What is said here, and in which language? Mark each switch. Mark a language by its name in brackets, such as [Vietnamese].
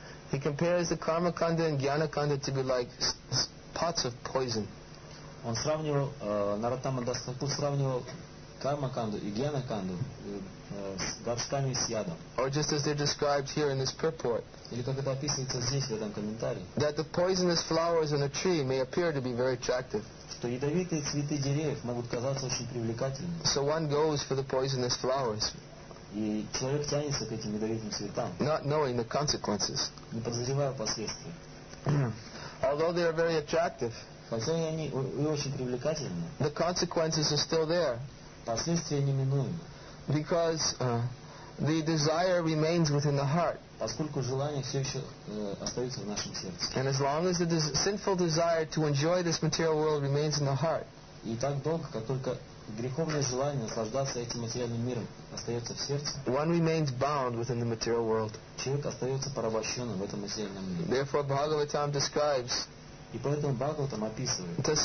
[English] He compares the karma kanda and jnana kanda to be like pots of poison. [Russian] Он сравнивал, Нараттама Дас Такур сравнивал карма-канду и гьяна-канду с горшками с ядом. [English] Or just as they're described here in this purport. [Russian] Или как это описывается здесь, в этом комментарии. [English] That the poisonous flowers in a tree may appear to be very attractive. [Russian] Что ядовитые цветы деревьев могут казаться очень привлекательными. [English] So one goes for the poisonous flowers. [Russian] И человек тянется к этим ядовитым цветам. [English] Not knowing the consequences. [Russian] Не подозревая последствий. [English] Although they are very attractive. [Russian] Хотя они и очень привлекательны. [English] The consequences are still there. [Russian] Последствия неминуемы. [English] Because the desire remains within the heart. [Russian] Поскольку желание все еще остается в нашем сердце. [English] And as long as the sinful desire to enjoy this material world remains in the heart. [Russian] И так долго, как только греховное желание наслаждаться этим материальным миром остается в сердце. [English] One remains bound within the material world. [Russian] Человек остается порабощенным в этом материальном мире. [English] Therefore, Bhagavatam describes. [Russian] И поэтому Бхагаватам описывает.